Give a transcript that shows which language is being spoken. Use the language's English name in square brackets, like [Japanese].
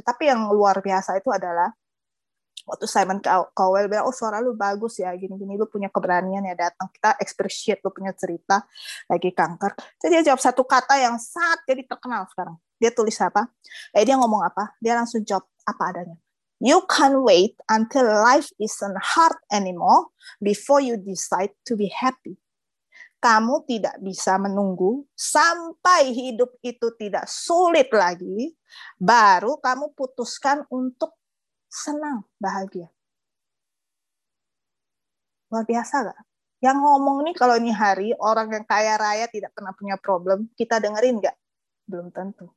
[Indonesian] Tapi yang luar biasa itu adalah waktu Simon Cowell bilang, oh suara lu bagus ya, gini-gini, lu punya keberanian ya datang, kita appreciate lu punya cerita lagi kanker. Jadi dia jawab satu kata yang sangat jadi terkenal sekarang. Dia tulis apa? Dia ngomong apa? Dia langsung jawab apa adanya. [English] You can't wait until life isn't hard anymore before you decide to be happy. [Indonesian] Kamu tidak bisa menunggu sampai hidup itu tidak sulit lagi, baru kamu putuskan untuk senang, bahagia. Luar biasa gak? Yang ngomong nih kalau ini hari, orang yang kaya raya tidak pernah punya problem, kita dengerin gak? Belum tentu.